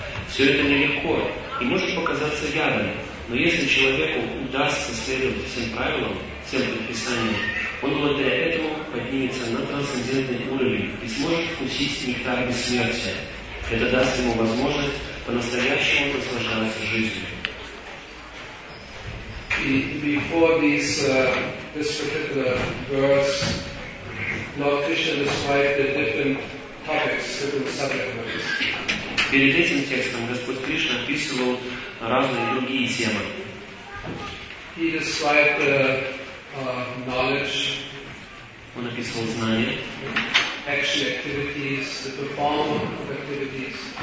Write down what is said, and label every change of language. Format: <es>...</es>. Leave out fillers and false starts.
<ru>Все это нелегко и может показаться ядом, но если человеку удастся следовать всем правилам, всем предписаниям, он благодаря этому поднимется на трансцендентный уровень и сможет вкусить нектар бессмертия. Это даст ему возможность по-настоящему наслаждаться жизнью.</ru> <en>Before this particular verse, Lord Krishna described the different topics, different subject matters.</en> <ru>Перед этим текстом Господь Кришна описывал разные другие темы.</ru> <en>He described knowledge.</en> <ru>Он описывал знания.</ru> <en>Action activities, the performance of activities.</en>